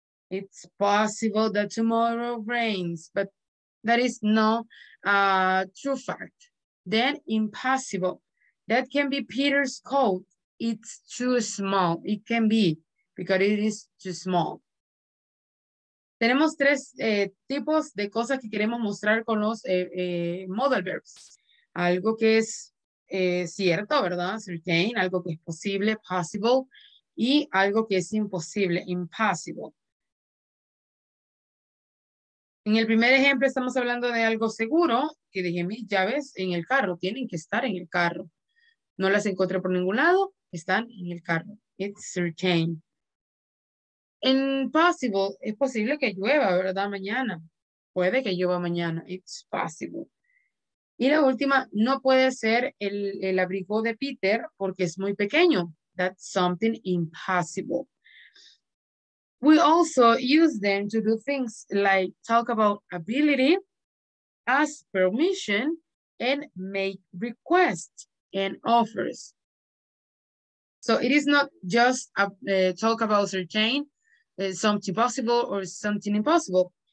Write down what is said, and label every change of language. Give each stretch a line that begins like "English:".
English: It's possible that tomorrow rains, but that is not a true fact. Then, impossible, that can be Peter's coat. It's too small, it can be, because it is too small.
Spanish: Tenemos tres tipos de cosas que queremos mostrar con los modal verbs. Algo que es cierto, ¿verdad? Certain, algo que es posible, possible, y algo que es imposible, impossible. En el primer ejemplo estamos hablando de algo seguro, que dije mis llaves en el carro, tienen que estar en el carro. No las encontré por ningún lado, están en el carro.
English: It's certain.
Spanish: Impossible, es posible que llueva, ¿verdad? Mañana, puede que llueva mañana,
English: it's possible.
Spanish: Y la última, no puede ser el abrigo de Peter porque es muy pequeño.
English: That's something impossible. We also use them to do things like talk about ability, ask permission, and make requests and offers. So it is not just a talk about certain, something possible or something impossible.